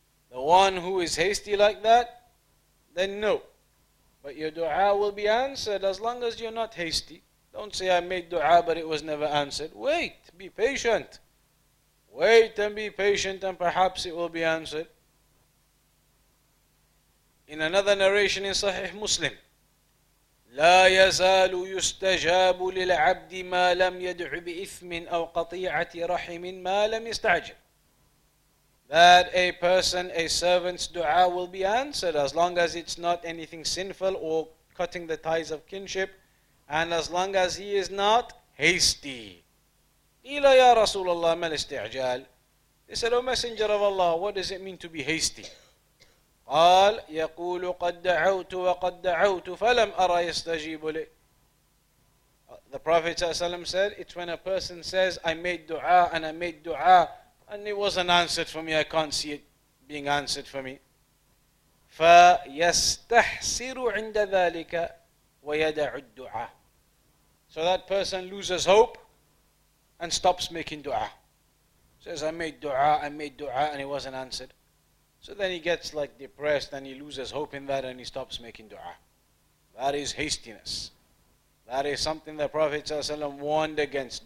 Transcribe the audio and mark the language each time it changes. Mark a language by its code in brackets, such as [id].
[en] The one who is hasty like that, then no. But your dua will be answered as long as you're not hasty. Don't say, I made dua, but it was never answered. Wait, be patient. Wait and be patient, and perhaps it will be answered. In another narration in Sahih Muslim, [ar] لا يزال يستجاب للعبد ما لم يدع بإثم أو قطيعة رحم ما لم يستعجل. [en] That a person, a servant's dua will be answered as long as it's not anything sinful or cutting the ties of kinship, and as long as he is not hasty. [ar] إلى يا رسول الله ما الاستعجال. [en] They said, O Messenger of Allah, what does it mean to be hasty? [ar] قال يقول قد دعوت وقد دعوت فلم أرى يستجيب لي. [en] The Prophet ﷺ said, it's when a person says, I made dua and I made dua and it wasn't answered for me, I can't see it being answered for me. [ar] فيستحسر عند ذلك ويدع الدعاء. [en] So that person loses hope and stops making dua. Says, I made dua and it wasn't answered. So then he gets like depressed and he loses hope in that and he stops making dua. That is hastiness. That is something the Prophet ﷺ warned against.